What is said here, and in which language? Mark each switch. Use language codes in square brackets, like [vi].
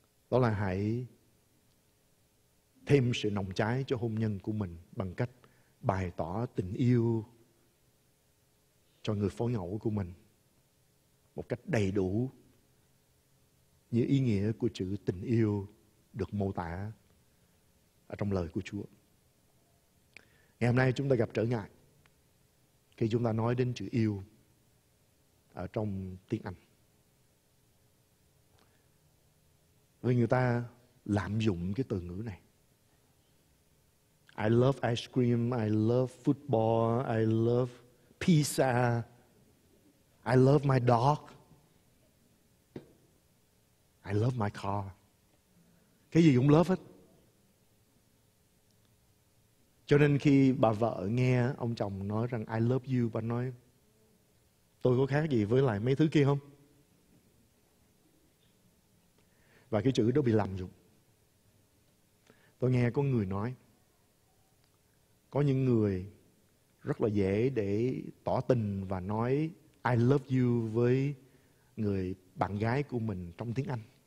[vi] Đó là hãy thêm sự nồng cháy cho hôn nhân của mình bằng cách bày tỏ tình yêu cho người phối ngẫu của mình một cách đầy đủ như ý nghĩa của chữ tình yêu được mô tả ở trong lời của Chúa. Ngày hôm nay chúng ta gặp trở ngại khi chúng ta nói đến chữ yêu ở trong tiếng Anh. Vì người ta lạm dụng cái từ ngữ này. [en] I love ice cream, I love football, I love pizza, I love my dog, I love my car. [vi] Cái gì cũng love hết. Cho nên khi bà vợ nghe ông chồng nói rằng [en] I love you, [vi] bà nói tôi có khác gì với lại mấy thứ kia không? Và cái chữ đó bị lạm dụng. Tôi nghe có người nói, có những người rất là dễ để tỏ tình và nói [en] I love you [vi] với người bạn gái của mình trong tiếng Anh.